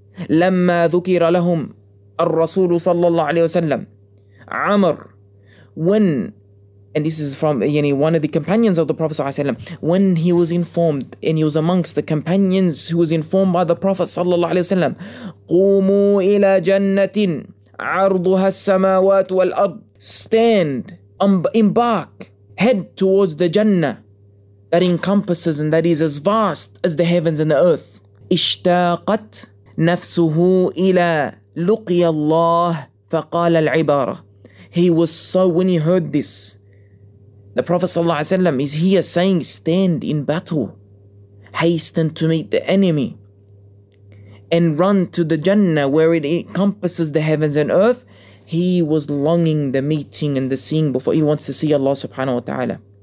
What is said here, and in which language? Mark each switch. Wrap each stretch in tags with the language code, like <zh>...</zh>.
<ar>لما ذكر لهم الرسول صلى الله عليه وسلم عمر,</ar> <en>when, and this is from one of the companions of the Prophet صلى الله عليه وسلم, when he was informed, and he was amongst the companions who was informed by the Prophet صلى الله عليه وسلم,</en> <ar>قوموا إلى جنة عرضها السماوات والأرض,</ar> <en>stand, embark, head towards the Jannah that encompasses and that is as vast as the heavens and the earth.</en> <ar>اشتاقت نفسه إلى لقي الله فقال العبارة.</ar> <en>He was so, when he heard this, the Prophet صلى الله عليه وسلم is here saying, stand in battle, hasten to meet the enemy, and run to the Jannah where it encompasses the heavens and earth. He was longing the meeting and the seeing before. He wants to see Allah subhanahu wa ta'ala.</en>